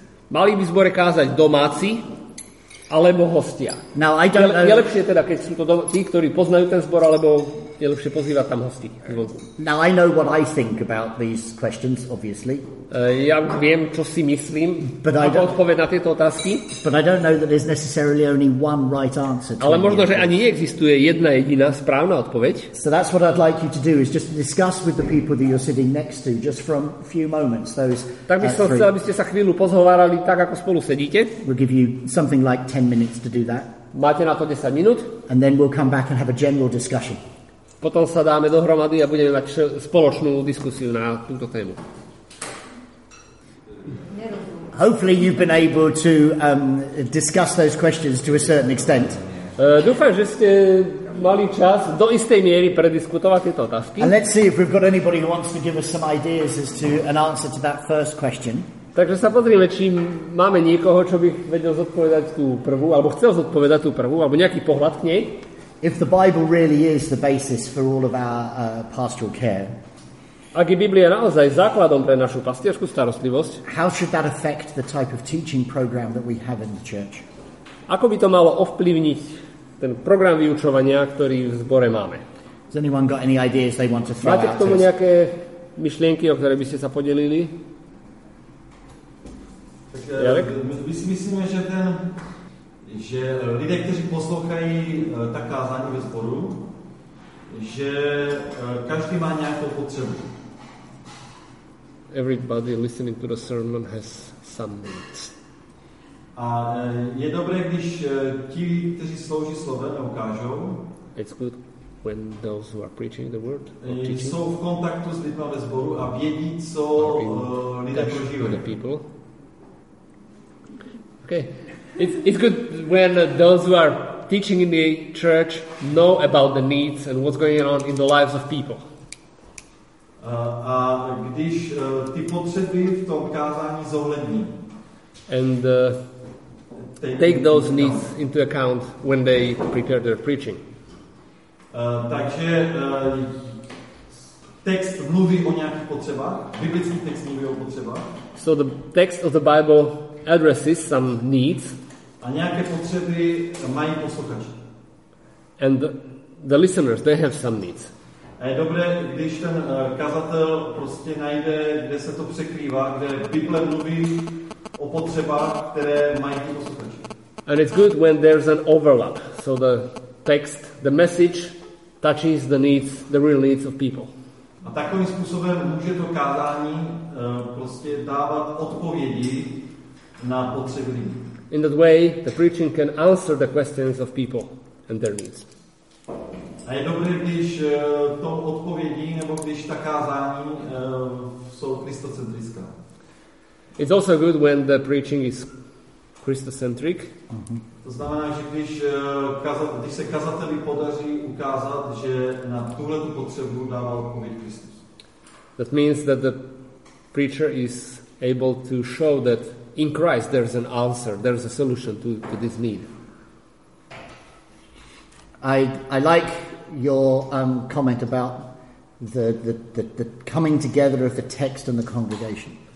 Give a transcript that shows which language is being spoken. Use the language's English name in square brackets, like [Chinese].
[Slovak] Mali by zbore kázať domáci alebo hostia? [English] Now, I don't know. [Slovak] Je lepšie teda, keď sú to tí, ktorí poznajú ten zbor, alebo je lepšie pozývať tam hosti? [English] Now, I know what I think about these questions, obviously. [Slovak] Ja už viem, čo si myslím, ako odpoveď na tieto otázky. [English] But I don't know that there's necessarily only one right answer. [Slovak] Ale možno, že ani neexistuje jedna jediná správna odpoveď. [English] So that's what I'd like you to do, is just discuss with the people that you're sitting next to, just from a few moments. [Slovak] Tak by som chcel, aby ste sa chvíľu pozhovárali tak, ako spolu sedíte. [English] We'll give you something like 10 minutes to do that. [Slovak] Máte na to 10 minút. [English] And then we'll come back and have a general discussion. [Slovak] Potom sa dáme dohromady a budeme mať spoločnú diskusiu na túto tému. [English] Hopefully you've been able to discuss those questions to a certain extent. [Slovak] Dúfam, že ste mali čas do istej miery prediskutovať tieto otázky. [English] And let's see if we've got anybody who wants to give us some ideas as to an answer to that first question. [Slovak] Takže sa pozrieme, či máme niekoho, čo by vedel zodpovedať tú prvú, alebo chcel zodpovedať tú prvú, alebo nejaký pohľad k nej. [English] If the Bible really is the basis for all of our pastoral care. [Slovak] Ak je Biblia naozaj základom pre našu pastierskú starostlivosť, [English] how should that affect the type of teaching program that we have in the church? [Slovak] Ako by to malo ovplyvniť ten program vyučovania, ktorý v zbore máme? [English] Has anyone got any ideas they want to throw out? [Slovak] Máte k tomu nejaké myšlienky, o ktoré by ste sa podelili? [Czech] Tak, my si myslíme, že že lidé, kteří poslouchají ta kázání ve sboru, že každý má nějakou potřebu. [English] Everybody listening to the sermon has some needs. [Czech] A je dobré, když ti, kteří slouží slovem, ukážou. [English] It's good when those who are preaching the word or teaching, [Czech] jsou v kontaktu s lidmi ve sboru a vědí, co lidé prožívají. [English] Okay. It's good when those who are teaching in the church know about the needs and what's going on in the lives of people. [Czech] A když ty potřeby v tom kázání zohlední. [English] And take those needs into account when they prepare their preaching. [Czech] Takže text mluví o nějakých potřebách. Biblický text mluví o potřebách. [English] So the text of the Bible addresses some needs. [Czech] A nějaké potřeby mají posluchači. [English] And the listeners, they have some needs. [Czech] A je dobré, když ten kazatel prostě najde, kde se to překrývá, kde Bible mluví o potřebách, které mají ty posluchači. [English] And it's good when there's an overlap. So the text, the message touches the needs, the real needs of people. [Czech] A takovým způsobem může to kázání prostě dávat odpovědi na potřeby lidí. [English] In that way, the preaching can answer the questions of people and their needs. [Czech] A je dobré, když to odpovědí, nebo když ta kázání jsou kristocentrická. [English] It's also good when the preaching is Christocentric. Mm-hmm. [Czech] To znamená, že když se kazateli podaří ukázat, že na tuhle tu potřebu dává odpověď Kristus. [English] That means that the preacher is able to show that in Christ there's an answer, there's a solution to this need. I like your comment about the coming together of the text and the congregation.